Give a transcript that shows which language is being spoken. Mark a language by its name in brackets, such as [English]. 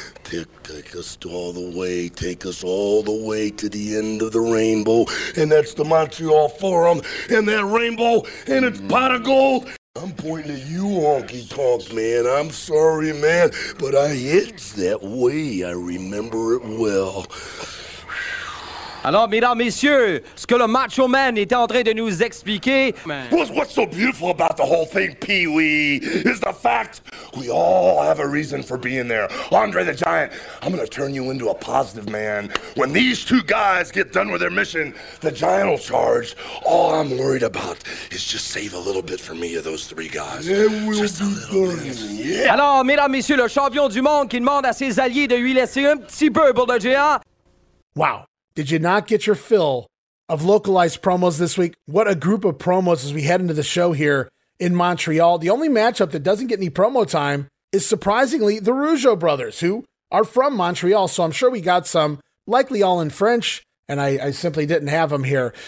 [English] Take us all the way, take us all the way to the end of the rainbow. And that's the Montreal Forum, and that rainbow, and its pot of gold. I'm pointing at you, Honky Tonk Man. I'm sorry, man, but I it's that way. I remember it well. [French] Alors, mesdames, messieurs, ce que le Macho Man était en train de nous expliquer... [English] What's so beautiful about the whole thing, Pee-wee, is the fact we all have a reason for being there. Andre the Giant, I'm going to turn you into a positive man. When these two guys get done with their mission, the Giant will charge. All I'm worried about is just save a little bit for me of those three guys. Yeah. [French] Alors, mesdames, messieurs, le champion du monde qui demande à ses alliés de lui laisser un petit peu pour le géant. [English] Wow. Did you not get your fill of localized promos this week? What a group of promos as we head into the show here in Montreal. The only matchup that doesn't get any promo time is, surprisingly, the Rougeau brothers, who are from Montreal. So I'm sure we got some, likely all in French, and I simply didn't have them here.